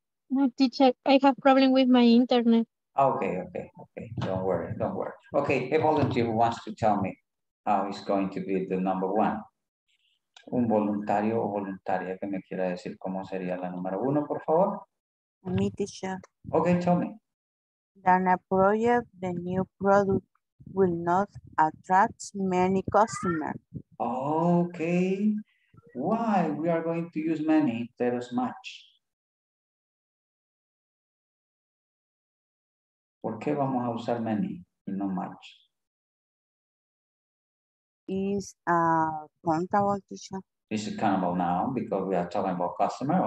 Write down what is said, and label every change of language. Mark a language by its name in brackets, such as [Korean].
[English] No, teacher, I have problem with my internet. Okay. Don't worry. Okay, a volunteer wants to tell me how he's going to be the number one. [Spanish] Un voluntario o voluntaria que me quiera decir cómo sería la número uno, por favor. [English] Me, teacher. Okay, tell me. Dana project, the new product will not attract many customers. Okay. Why? We are going to use many, instead of much. [Spanish] ¿Por qué vamos a usar many y no much? [English] Is a countable, teacher. This is countable now because we are talking about customer.